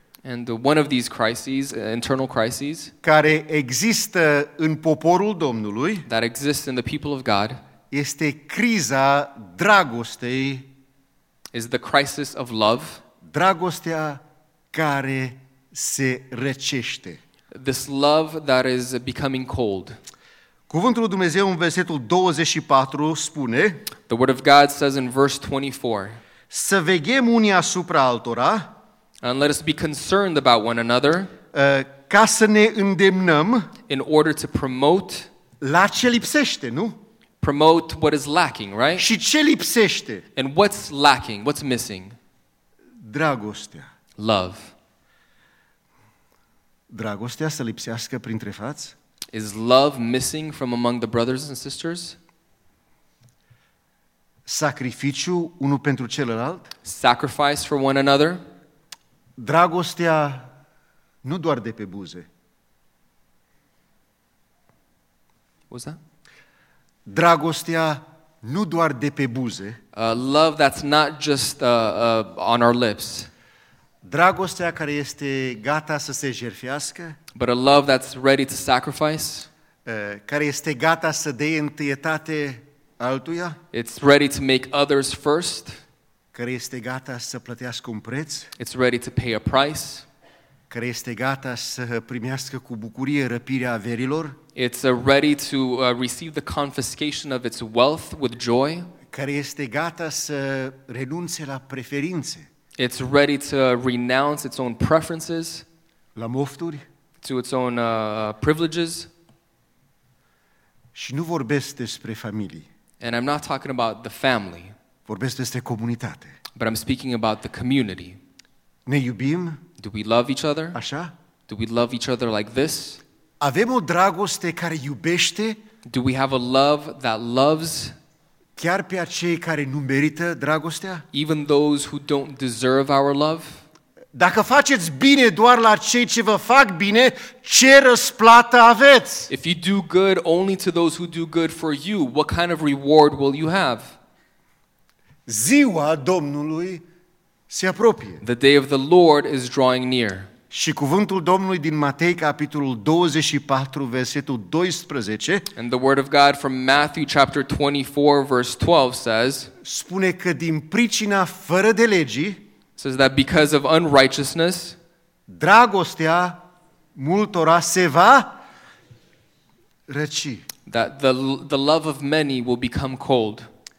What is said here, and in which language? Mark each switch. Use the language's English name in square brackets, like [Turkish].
[English] and one of these crises, internal crises, [Romanian] care există în poporul Domnului, [English] that exists in the people of God, [Romanian] este criza dragostei, [English] is the crisis of love, [Romanian] dragostea care se răcește. [English] This love that is becoming cold. [Romanian] Cuvântul lui Dumnezeu în versetul 24 spune, [English] the word of God says in verse 24, [Romanian] să veghem unii asupra altora, [English] and let us be concerned about one another, [Romanian] ca să ne îndemnăm, [English] in order to promote, [Romanian] la ce lipsește, nu? [English] Promote what is lacking, right? [Romanian] Și ce lipsește? [English] And what's lacking, what's missing? [Romanian] Dragostea. [English] Love. [Romanian] Dragostea să lipsească printre frați? [English] Is love missing from among the brothers and sisters? [Romanian] Sacrificiu unul pentru celălalt? [English] Sacrifice for one another? [Romanian] Dragostea nu doar de pe buze. [English] What's that? [Romanian] Dragostea nu doar de pe buze. [English] Love that's not just on our lips. [Romanian] Dragostea care este gata să se jertfească? [English] But a love that's ready to sacrifice? [Romanian] Care este gata să dea întâietate altuia? [English] It's ready to make others first. [Romanian] Care este gata să plătească un preț? [English] It's ready to pay a price. [Romanian] Care este gata să primească cu bucurie răpirea averilor? [English] It's ready to receive the confiscation of its wealth with joy. [Romanian] Care este gata să renunțe la preferințe? [English] It's ready to renounce its own preferences. [Romanian] La mofturi? [English] To its own privileges. [Romanian] Și nu vorbesc despre familie. [English] And I'm not talking about the family. [Romanian] Vorbesc despre comunitate. [English] But I'm speaking about the community. [Romanian] Ne iubim? [English] Do we love each other? [Romanian] Așa? [English] Do we love each other like this? [Romanian] Avem o dragoste care iubește? [English] Do we have a love that loves? [Romanian] Chiar pe acei care nu merită dragostea? [English] Even those who don't deserve our love? [Romanian] Dacă faceți bine doar la cei ce vă fac bine, ce răsplată aveți? [English] If you do good only to those who do good for you, what kind of reward will you have? [Romanian] Ziua Domnului se apropie. [English] The day of the Lord is drawing near. [Romanian] Și cuvântul Domnului din Matei capitolul 24 versetul 12. [English] And the word of God from Matthew chapter 24 verse 12 says. [Romanian] Spune că din pricina fără de legi. [English] Says that because of unrighteousness. [Romanian] Dragostea multora se va răci. [English] That the love of many will become cold.